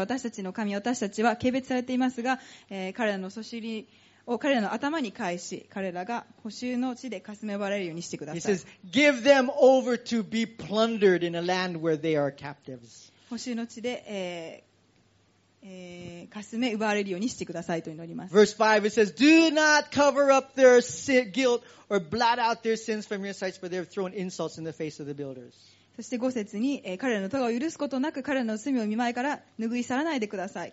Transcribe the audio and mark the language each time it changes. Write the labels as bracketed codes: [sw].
[ja] 私たちの神、私たちは軽蔑されていますが、彼らのそしりを彼らの頭に返し、彼らが捕囚の地でかすめばれるようにしてください。 [en] He says, "Give them over to be plundered in a land where they are captives." [ja] 捕囚の地で、かすめ奪われるようにしてくださいと祈ります。 [en] Verse 5 it says, "Do not cover up their guilt or blot out their sins from your sight, for they have thrown insults in the face of the builders." [ja] そして5節に、彼らの咎を許すことなく彼らの罪を見舞いから拭い去らないでください。